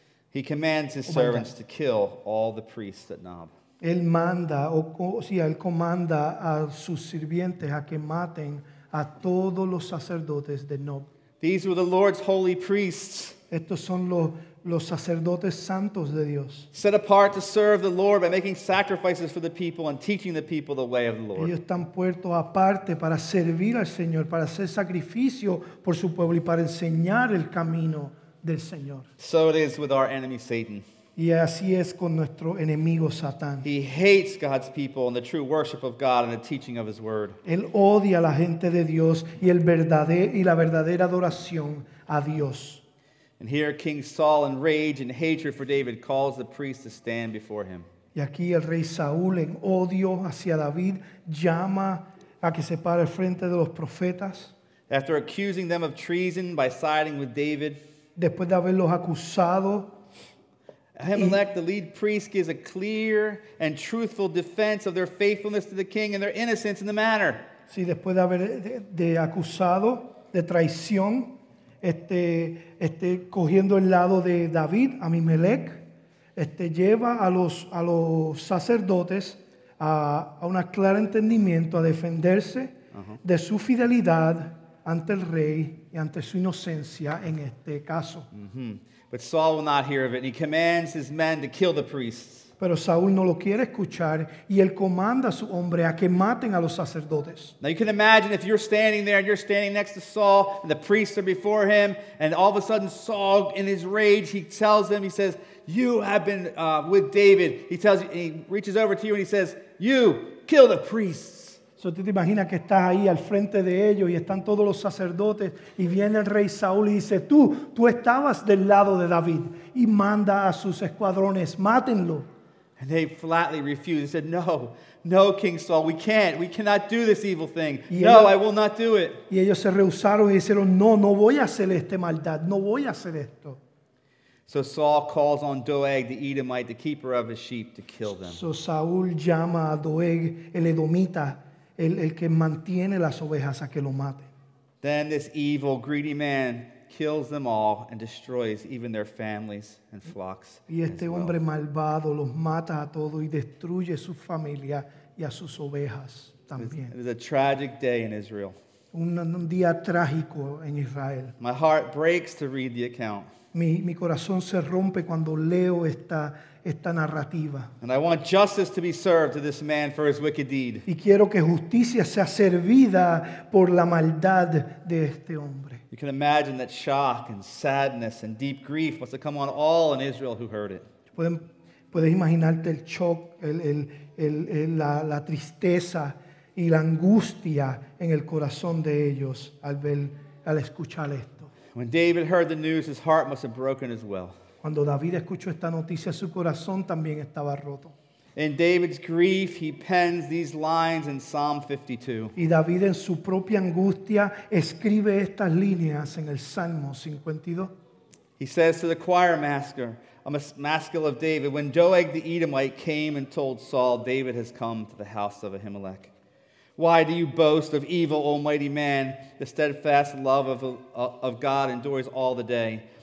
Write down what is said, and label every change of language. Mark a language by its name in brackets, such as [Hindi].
[English] He commands his servants to kill all the priests at Nob. [Spanish] Él manda, él comanda a sus sirvientes a que maten a todos los sacerdotes de Nob. [English] These were the Lord's holy priests. [Spanish] Estos son los sacerdotes santos de Dios. [English] Set apart to serve the Lord by making sacrifices for the people and teaching the people the way of the Lord. [Spanish] Ellos están puestos aparte para servir al Señor, para hacer sacrificio por su pueblo y para enseñar el camino del Señor. [English] So it is with our enemy Satan. [Spanish] Y así es con nuestro enemigo Satán. [English] He hates God's people and the true worship of God and the teaching of His Word. [Spanish] Él odia a la gente de Dios y la verdadera adoración a Dios. [English] And here King Saul, in rage and hatred for David, calls the priest to stand before him. [Spanish] Y aquí el rey Saúl, en odio hacia David, llama a que se pare frente de los profetas. [English] After accusing them of treason by siding with David, [Spanish] después de haberlos acusado, [English] Ahimelech, the lead priest, gives a clear and truthful defense of their faithfulness to the king and their innocence in the matter. [Spanish] Sí, después de haber de acusado de traición, este cogiendo el lado de David, Ahimelech, lleva a los sacerdotes a un claro entendimiento, a defenderse de su fidelidad ante el rey y ante su inocencia en este caso. [English] But Saul will not hear of it, and he commands his men to kill the priests. [Spanish] Pero Saúl no lo quiere escuchar, y él comanda a su hombre a que maten a los sacerdotes. [English] Now you can imagine if you're standing there, and you're standing next to Saul, and the priests are before him, and all of a sudden Saul, in his rage, he tells him, he says, you have been with David. He tells you, he reaches over to you, and he says, you, kill the priests. [Spanish] So, tú te imaginas que estás ahí al frente de ellos y están todos los sacerdotes y viene el rey Saúl y dice, tú estabas del lado de David y manda a sus escuadrones, mátenlo. [English] And they flatly refused. They said, no, King Saul, we can't. We cannot do this evil thing. No, I will not do it. [Spanish] Y ellos se rehusaron y dijeron, no voy a hacer esta maldad. No voy a hacer esto. [English] So Saul calls on Doeg, the Edomite, the keeper of his sheep, to kill them. [Spanish] So Saúl llama a Doeg, el Edomita, el que mantiene las ovejas, a que lo mate. [English] Then this evil, greedy man kills them all and destroys even their families and flocks. [Spanish] Y este hombre malvado los mata a todos y destruye su familia y a sus ovejas también. [English] It was a tragic day in Israel. [Spanish] Un día trágico en Israel. [English] My heart breaks to read the account. [Spanish] Mi corazón se rompe cuando leo esta narrativa. [English] And I want justice to be served to this man for his wicked deed. [Spanish] Y quiero que justicia sea servida por la maldad de este hombre. [English] You can imagine that shock and sadness and deep grief must have come on all in Israel who heard it. [Spanish] Puedes imaginarte el shock, la tristeza y la angustia en el corazón de ellos al escuchar esto. [English] When David heard the news, his heart must have broken as well. [Spanish] Cuando David escuchó esta noticia, su corazón también estaba roto. [English] In David's grief, he pens these lines in Psalm 52. [Spanish] Y David en su propia angustia escribe estas líneas en el Salmo 52. [English] He says to the choir master, a maskil of David, when Doeg the Edomite came and told Saul, David has come to the house of Ahimelech. Why do you boast of evil, O mighty man? The steadfast love of God endures all the day.